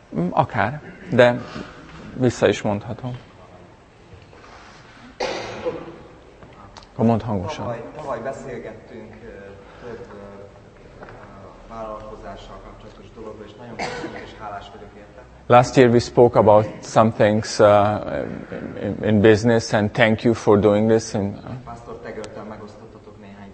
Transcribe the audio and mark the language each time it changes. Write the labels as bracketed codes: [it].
[hu] Akár, de vissza is mondhatom. Akkor mondd hangosan. Tavaly beszélgettünk több vállalkozással kapcsolatos dologról, és nagyon köszönöm, és hálás vagyok érte. [en] Last year we spoke about some things in business, and thank you for doing this. [hu] Pastor Tegert-tel megosztottatok néhány